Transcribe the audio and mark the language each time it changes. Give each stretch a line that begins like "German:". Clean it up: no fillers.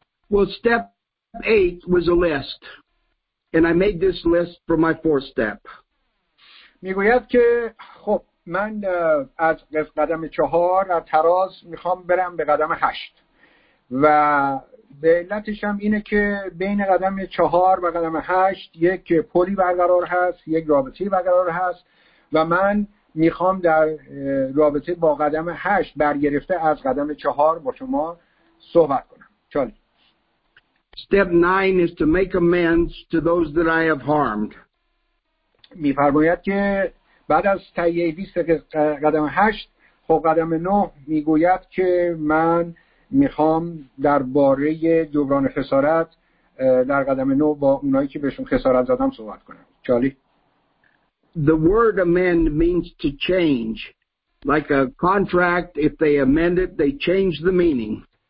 English: Well, step 8 was a list, and I made this list for my fourth step.
Persian: میگوید که خب من از قدم چهار از تراز میخوام برم به قدم هشت و به علتش هم اینه که بین قدم چهار و قدم هشت یک پلی برقرار هست، یک رابطه برقرار هست و من میخوام در رابطه با قدم هشت برگرفته از قدم چهار با شما صحبت کنم. چالی.
English: Step 9 is to make amends to those that I have harmed.
Persian: می‌فرماید که بعد از تهیه 20 قدم 8 خب قدم 9 میگوید که من میخوام درباره جبران خسارت در قدم 9 با اونایی که بهشون خسارت زدم صحبت کنم. چالی.
English: The word amend means to change. Like a contract, if they amend it, they change the meaning.